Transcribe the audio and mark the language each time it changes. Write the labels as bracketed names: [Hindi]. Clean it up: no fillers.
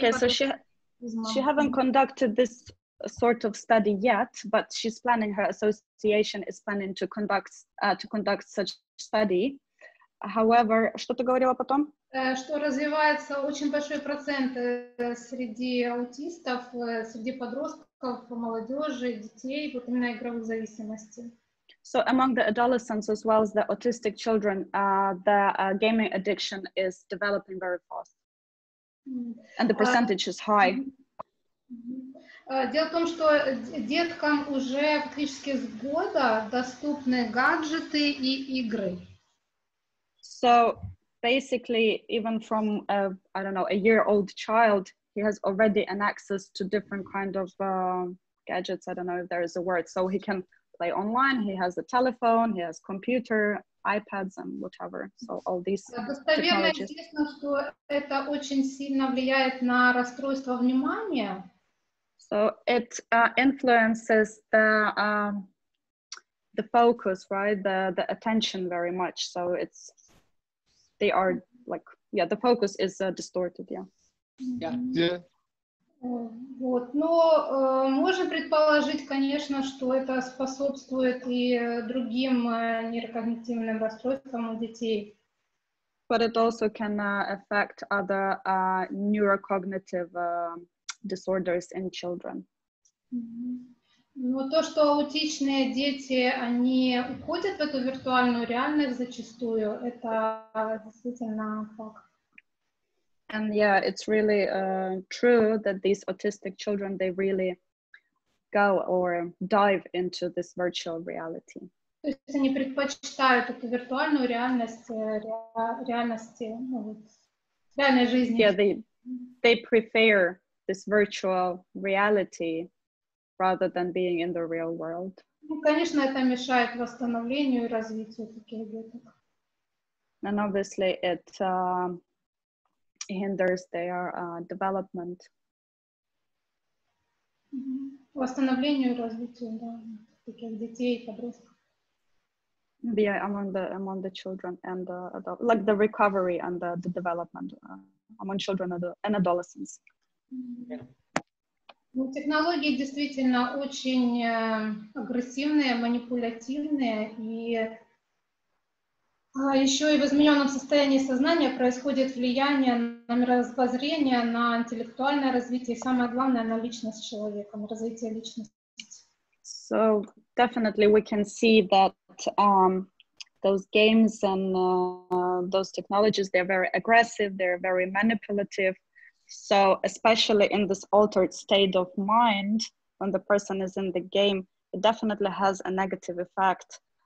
[English] Okay, so she haven't conducted this sort of study yet, but she's planning, her association is planning to conduct such study. [Russian] However, что ты говорила потом? Что развивается очень большой процент среди аутистов, среди подростков, молодежи, детей, вот именно игровых зависимостей. [English] So among the adolescents as well as the autistic children, the gaming addiction is developing very fast. And the percentage is high. [Russian] Дело в том, что деткам уже практически с года доступны гаджеты и игры. [English] So basically, even from I don't know, a year old child, he has already an access to different kind of gadgets. I don't know if there is a word. So he can play online, he has a telephone, he has computer, iPads and whatever. So all these technologies. [Russian] Известно, что это очень сильно влияет на расстройство внимания. [English] So it influences the focus, right? The attention very much. So it's they are like yeah, the focus is distorted. Yeah. Yeah. Yeah. [Russian] Вот, но можно предположить, конечно, что это способствует и другим нейрокогнитивным расстройствам у детей. [English] But it also can affect other neurocognitive disorders in children. [Russian] Но то, что аутичные дети, они уходят в эту виртуальную реальность зачастую, это действительно факт. [English] And yeah, it's really true that these autistic children, they really go or dive into this virtual reality. [Russian] То есть они предпочитают эту виртуальную реальность реальности, ну вот, реальной жизни. [English] Yeah, they prefer this virtual reality rather than being in the real world. [Russian] Ну, конечно, это мешает восстановлению и развитию таких деток. [English] And obviously it hinders their development. [Russian] Восстановлению и развитию, да, таких детей и подростков. [English] Yeah, among the children and the adult, like the recovery and the development among children and adolescents. [Russian] Ну, технологии действительно очень агрессивные, манипулятивные и еще и в измененном состоянии сознания происходит влияние на мировоззрение, на интеллектуальное развитие, и самое главное на личность человека, на развитие личности. [English] So definitely we can see that those games and those technologies, they're very aggressive, they're very manipulative. So especially in this altered state of mind, when the person is in the game, it definitely has a negative effect.